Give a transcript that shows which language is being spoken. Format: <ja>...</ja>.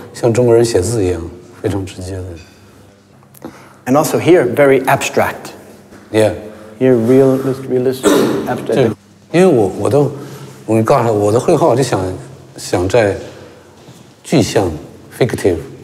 <zh>直接画，我都直接画，像中国人写字一样，非常直接的。</zh> <en>And also here, very abstract. Yeah. You're realistic, abstract.</en> <zh>对，因为我告诉他，我的绘画我就想在具象 fictive</zh>